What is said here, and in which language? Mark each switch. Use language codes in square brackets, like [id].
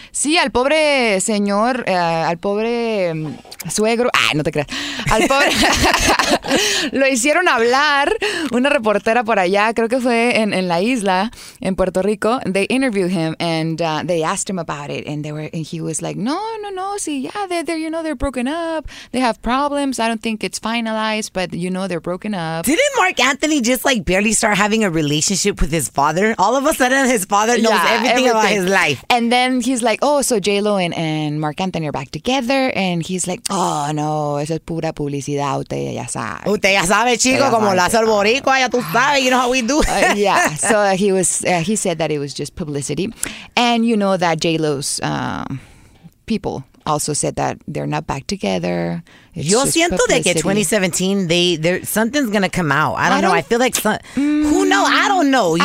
[es] Sí, al pobre señor, al pobre suegro. Ah, no te creas. Al pobre. Lo hicieron hablar una reportera por allá, creo que fue en la isla, en Puerto Rico. [en] They interviewed him and they asked him about it. And he was like, no. Sí, yeah, they're broken up. They have problems. I don't think it's finalized, but you know they're broken up. Didn't Mark Anthony just like barely start having a relationship with his father? All of a sudden, his father knows everything about his life. And then he's like, oh, so J-Lo and Mark Anthony are back together. And he's like, oh, no, [es] eso es pura publicidad. Usted ya sabe, chico, como lo hace el boricua, ya tú sabes, [en] you know how we do. So he said that it was just publicity. And you know that J-Lo's people also said that they're not back together. It's [es] yo siento [en] publicity. [es] De que [en] 2017, something's going to come out. I don't know. I feel like, who knows? I don't know. You